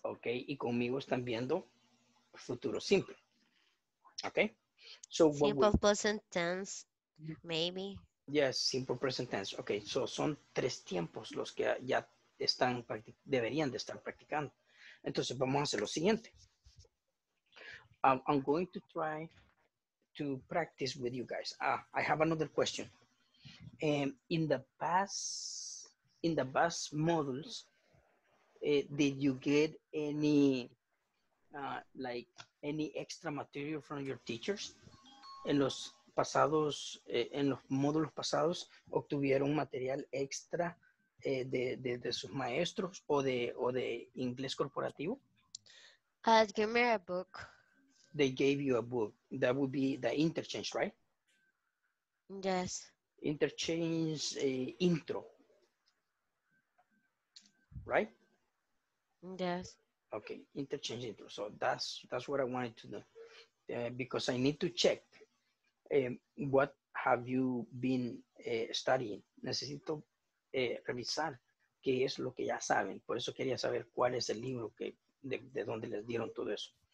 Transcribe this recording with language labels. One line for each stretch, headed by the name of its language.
Spanish: Ok, y conmigo están viendo futuro simple. Ok. So
English: simple present tense, maybe. Yes, simple present tense.
Spanish: Ok, so son tres tiempos los que ya están deberían de estar practicando. Entonces vamos a hacer lo siguiente.
English: I'm going to try to practice with you guys. Ah, I have another question. In the past modules, did you get any like any extra material from your teachers?
Spanish: En los pasados, en los módulos pasados, obtuvieron material extra de sus maestros o de inglés corporativo?
English: Give me a book. They gave you a book. That would be the interchange, right? Yes. Interchange intro. Right? Yes. Okay, interchange intro. So that's what I wanted to know. Because I need to check what have you been studying.
Spanish: Necesito revisar qué es lo que ya saben. Por eso quería saber cuál es el libro que de dónde les dieron todo eso.